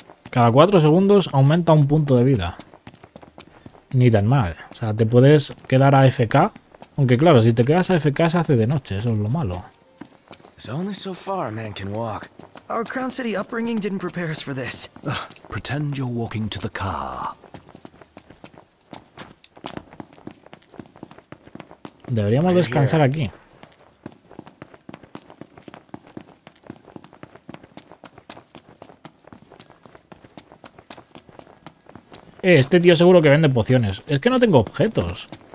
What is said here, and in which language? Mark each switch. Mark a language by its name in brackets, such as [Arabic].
[Spanish] Cada 4 segundos aumenta un punto de vida. Ni tan mal. O sea, te puedes quedar a FK. Aunque claro, si te quedas a FK se hace de noche. Eso es lo malo. [English] Only so far a man can walk. Our Crown City upbringing didn't prepare us for this. Pretend you're walking to the car. [Spanish] Deberíamos descansar aquí. Este tío seguro que vende pociones. Es que no tengo objetos.